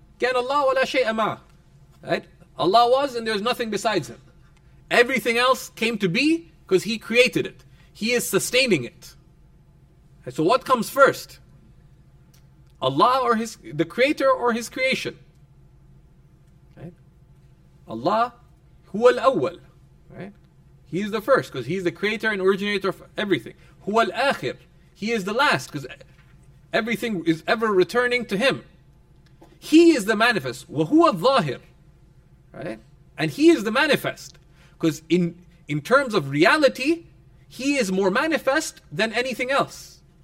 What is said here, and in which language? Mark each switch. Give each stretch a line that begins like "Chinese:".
Arabic: كَانَ اللَّهُ وَلَا شَيْءَ مَعَ.
English: Right? Allah was and there is nothing besides Him. Everything else came to be because He created it. He is sustaining it. Right? So what comes first? Allah or the Creator or His creation? Right?
Arabic: Allah, هُوَ الْأَوَّلِ.
English: Right? He is the first because He is the Creator and originator of everything.
Arabic: هُوَ الْآخِرِ.
English: He is the last because everything is ever returning to Him. He is the manifest.
Arabic: وَهُوَ الظَّاهِرِ.
English: Right? And He is the manifest. Because in terms of reality, He is more manifest than anything else.